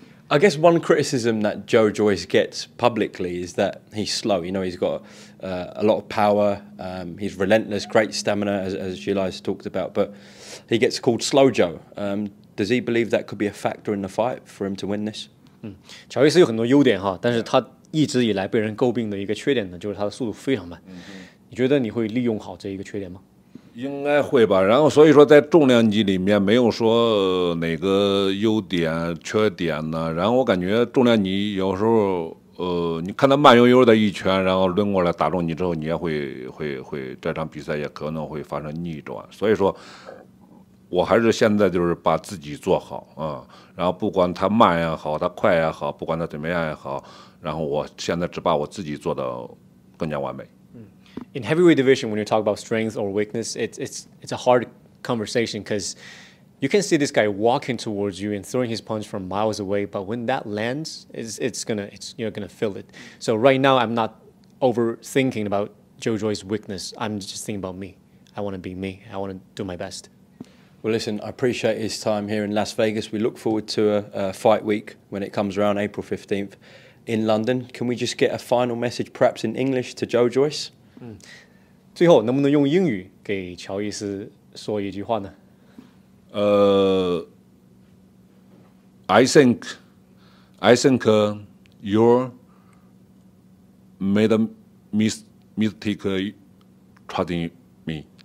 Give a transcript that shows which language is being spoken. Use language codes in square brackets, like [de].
[en] I guess one criticism that Joe Joyce gets publicly is that he's slow. You know, he's got a lot of power. He's relentless, great stamina, as Zhilei has talked about. But he gets called Slow Joe. Does he believe that could be a factor in the fight for him to win this? [zh] 乔伊斯有很多优点哈，但是他一直以来被人诟病的一个缺点呢，就是他的速度非常慢。你觉得你会利用好这一个缺点吗？应该会吧，然后所以说在重量级里面没有说哪个优点缺点呢，然后我感觉重量级有时候你看他慢悠悠的一拳然后抡过来打中你之后，你也会这场比赛也可能会发生逆转，所以说我还是现在就是把自己做好然后不管他慢也好他快也好不管他怎么样也好，然后我现在只把我自己做得更加完美。 [en] In heavyweight division, when you talk about strength or weakness, it's a hard conversation because You can see this guy walking towards you and throwing his punch from miles away, but when that lands, you're gonna feel it. So right now, I'm not overthinking about Joe Joy's weakness. I'm just thinking about me. I want to be me. I want to do my best. Well, listen, I appreciate his time here in Las Vegas. We look forward to a fight week when it comes around April 15th in London. Can we just get a final message, perhaps in English, to Joe Joyce? [zh] 最后能不能用英语给乔伊斯说一句话呢? [en] I think you made a mistake trusting me.